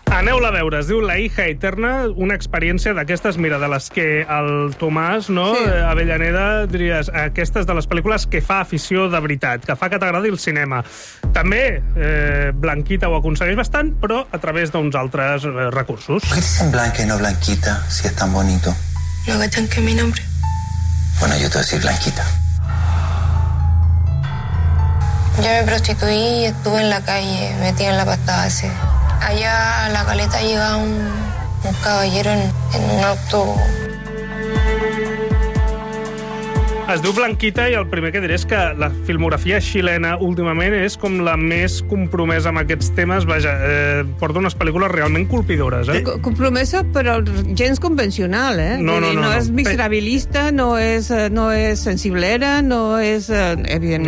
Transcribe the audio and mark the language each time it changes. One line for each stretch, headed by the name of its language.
Catalan: Aneu-la a veure, es diu La hija eterna, una experiència d'aquestes, mira, de les que el Tomàs, no?, sí. Avellaneda, diries, aquestes de les pel·lícules que fa afició de veritat, que fa que t'agradi el cinema. També Blanquita ho aconsegueix bastant, però a través d'uns altres recursos.
Spanish: ¿Por qué dicen Blanca y no Blanquita, si es tan bonito? No va tan que mi nombre. Bueno, yo te voy a decir Blanquita. Yo me prostituí y estuve en la calle, metida en la patada así. Allá a la caleta llega un caballero en un auto.
Catalan: Es diu Blanquita i el primer que diré és que la filmografia xilena últimament és com la més compromesa amb aquests temes. Vaja, porta unes pel·lícules realment colpidores. Compromesa, però gens convencional, eh? No. És miserabilista, no és sensiblera, no és, evidentment,